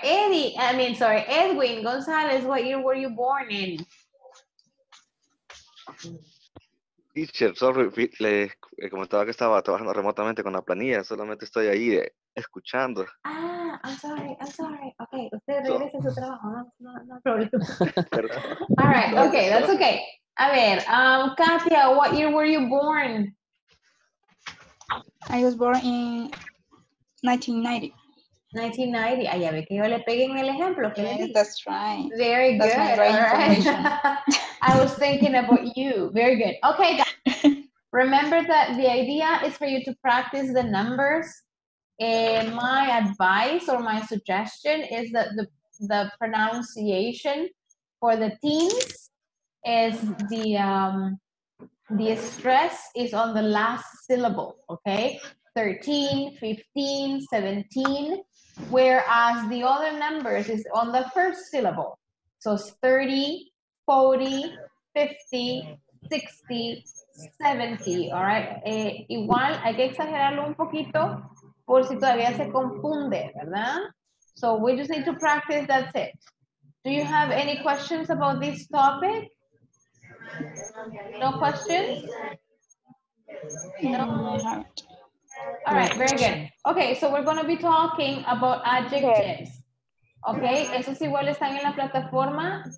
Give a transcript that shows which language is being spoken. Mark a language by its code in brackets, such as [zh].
[en] Edwin Gonzalez, what year were you born in? Teacher, sorry, [es] le comentaba que estaba trabajando remotamente con la planilla, solamente estoy ahí escuchando. [en] Ah, I'm sorry. [es] Okay, usted regresa a su trabajo, [en] no problem. All right, okay, that's okay. [es] A ver, [en] Katia, what year were you born? I was born in 1990. [es] Ah, ya ve que yo le pegué en el ejemplo. [en] Yes, that's right. Very that's good. That's my right information. I was thinking about you. Very good. Okay, remember that the idea is for you to practice the numbers. And my advice or my suggestion is that the pronunciation for the teens is the stress is on the last syllable, okay? 13, 15, 17, whereas the other numbers is on the first syllable. So it's 30, 40, 50, 60, 70, all right? [es] Igual, hay que exagerarlo un poquito por si todavía se confunde, ¿verdad? [en] So we just need to practice, that's it. Do you have any questions about this topic? No questions? No. All right, very good. Okay, so we're going to be talking about adjectives. [es] Okay, eso es igual, están en la plataforma.